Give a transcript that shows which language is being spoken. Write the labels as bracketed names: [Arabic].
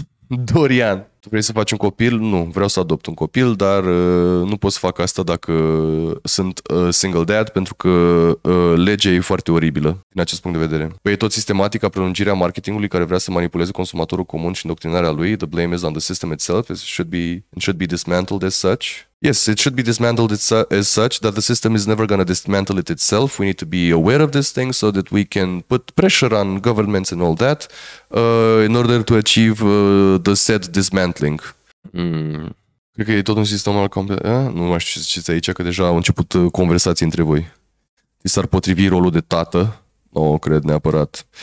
[Romanian] Dorian, tu vrei să faci un copil? Nu, vreau să adopt un copil, dar nu pot să fac asta dacă sunt single dad, pentru că legea e foarte oribilă din acest punct de vedere. Păi e tot sistematica prelungirea marketingului care vrea să manipuleze consumatorul comun și îndoctrinarea lui. [English] The blame is on the system itself. It should be dismantled as such. Yes, it should be dismantled as such, that the system is never gonna dismantle it itself. We need to be aware of this thing so that we can put pressure on governments and all that in order to achieve the said dismantling. [Romanian] Cred că e tot un sistem al complet... Nu mai știu ce ziceți aici, că deja au început conversații între voi. Ti s-ar potrivi rolul de tată? Nu o cred neapărat.